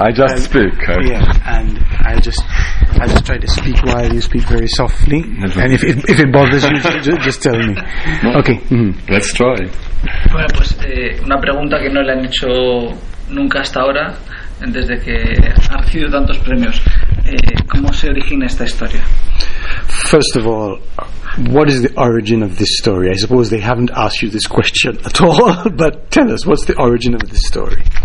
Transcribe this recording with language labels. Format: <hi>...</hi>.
<en>I just try to speak while you speak very softly. And if it bothers you, just tell me. Okay. Mm-hmm. Let's try.</en> <es>Bueno, pues una pregunta que no le han hecho nunca hasta ahora, desde que ha recibido tantos premios. ¿Cómo se origina esta historia?</es> <en>First of all, what is the origin of this story? I suppose they haven't asked you this question at all, but tell us, what's the origin of this story?</en>